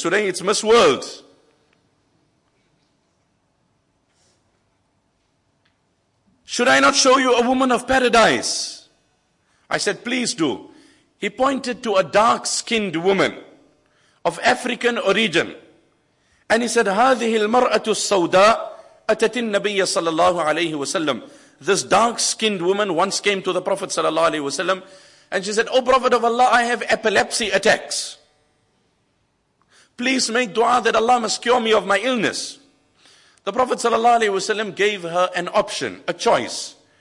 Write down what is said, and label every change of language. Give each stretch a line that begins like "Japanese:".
English: Today it's Miss World. Should I not show you a woman of paradise? I said, please do. He pointed to a dark-skinned woman of African origin. And he said,
Arabic: هَذِهِ الْمَرْأَةُ السَّوْدَاءُ أَتَتِ النَّبِيَّ صَلَى اللَّهُ عَلَيْهِ وَسَلَّمُ.
English: This dark-skinned woman once came to the Prophet
Arabic: صلى الله عليه وسلم,
English: and she said, oh Prophet of Allah, I have epilepsy attacks. Please make dua that Allah must cure me of my illness. The Prophet sallallahu alaihi wasallam gave her an option, a choice.